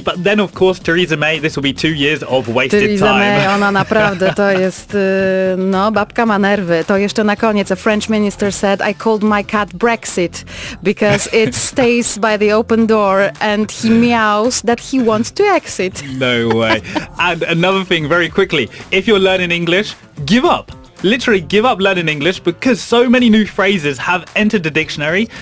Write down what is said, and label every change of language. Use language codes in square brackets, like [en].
[en] But then of course, Theresa May, this will be 2 years of wasted Theresa time. [pl] Theresa May, ona naprawdę to jest, no, babka ma nerwy. To jeszcze na koniec, [en] a French minister said, I called my cat Brexit because it stays by the open door and he meows that he wants to exit. No way. And another thing, very quickly, if you're learning English, give up. Literally give up learning English, because so many new phrases have entered the dictionary.